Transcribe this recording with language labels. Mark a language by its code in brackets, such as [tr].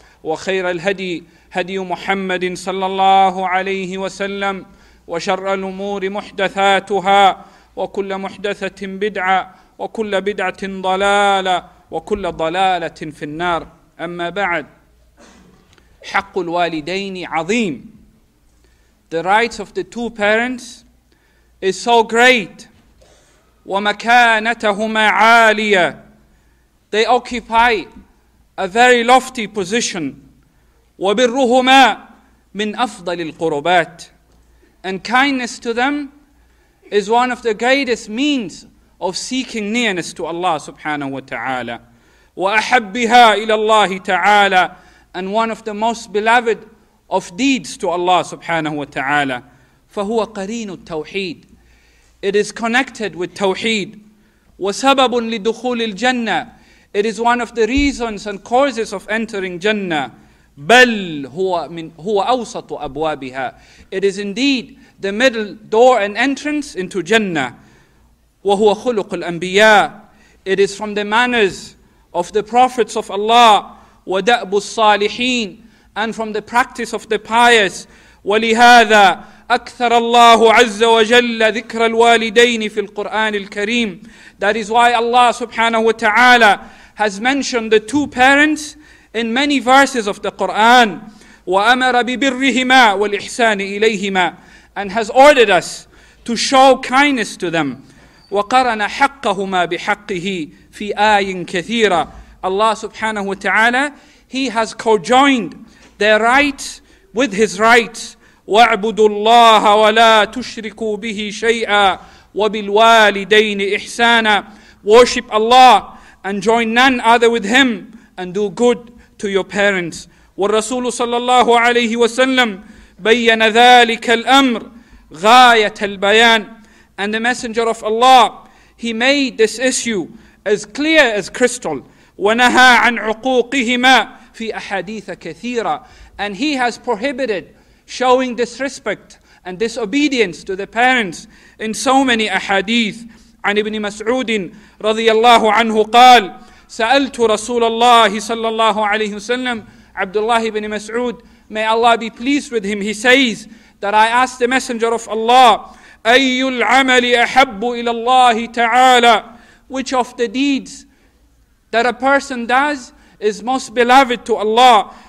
[ar] وخير الهدي هدي محمد صلى الله عليه وسلم وشر الأمور محدثاتها وكل محدثة بدعة وكل بدعة ضلالة وكل ضلالة في النار أما بعد حق الوالدين عظيم. [en] The rights of the two parents is so great. [ar] ومكانتهما عالية. [en] They occupy a very lofty position. [ar] وبرهما من أفضل القربات. [en] And kindness to them is one of the greatest means of seeking nearness to Allah subhanahu wa ta'ala. [ar] وأحبها إلى الله تعالى. [en] And one of the most beloved of deeds to Allah subhanahu wa ta'ala. [ar] فهو قرين التوحيد. [en] It is connected with tawheed. [ar] وسبب لدخول الجنة. [en] It is one of the reasons and causes of entering Jannah. [ar] بل هو من هو أوسط أبوابها. [en] It is indeed the middle door and entrance into Jannah. [ar] وهو خلق الأنبياء. [en] It is from the manners of the prophets of Allah. [ar] ودأب الصالحين. [en] And from the practice of the pious. [ar] ولهذا أكثر الله عز وجل ذكر الوالدين في القرآن الكريم. [en] That is why Allah subhanahu wa ta'ala has mentioned the two parents in many verses of the Quran. [ar] وأمر ببرهما والإحسان إليهما. [en] And has ordered us to show kindness to them. [ar] وقرن حقهما بحقه في آي كثيرة. [en] Allah subhanahu wa ta'ala, He has co-joined their rights with His rights. [ar] وَاعْبُدُوا اللَّهَ وَلَا تُشْرِكُوا بِهِ شَيْئًا وَبِالْوَالِدَيْنِ إِحْسَانًا. [en] Worship Allah and join none other with Him and do good to your parents. [ar] وَالرَّسُولُ صَلَّى اللَّهُ عَلَيْهِ وَسَلَّمْ بَيَّنَ ذَلِكَ الْأَمْرِ غَايَةَ الْبَيَانِ. [en] And the Messenger of Allah, He made this issue as clear as crystal. [ar] وَنَهَا عَنْ عُقُوقِهِمَا فِي أَحَادِيثَ كَثِيرًا. [en] And He has prohibited showing disrespect and disobedience to the parents in so many ahadith. [ar] عن ابن مسعود رضي الله عنه قال سألت رسول الله صلى الله عليه وسلم. [en] Abdullah ibn Mas'ud, may Allah be pleased with him, he says that I asked the Messenger of Allah [ar] أي العمل أحب إلى الله تعالى. [en] Which of the deeds that a person does is most beloved to Allah.